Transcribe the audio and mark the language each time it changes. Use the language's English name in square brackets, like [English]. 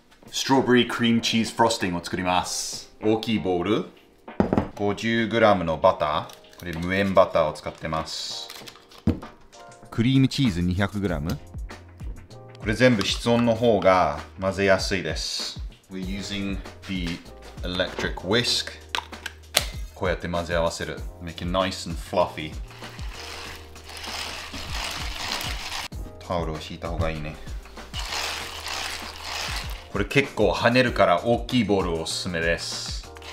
[Japanese] ストロベリークリームチーズフロスティングを作ります。大きいボウル 50g のバター、これ無塩バターを使ってます。クリームチーズ 200g、これ全部室温の方が混ぜやすいです。 [English] We're using the electric whisk. [Japanese] こうやって混ぜ合わせる。 [English] Make it nice and fluffy. [Japanese] タオルを敷いた方がいいね。これ結構跳ねるから大きいボールをおすすめです。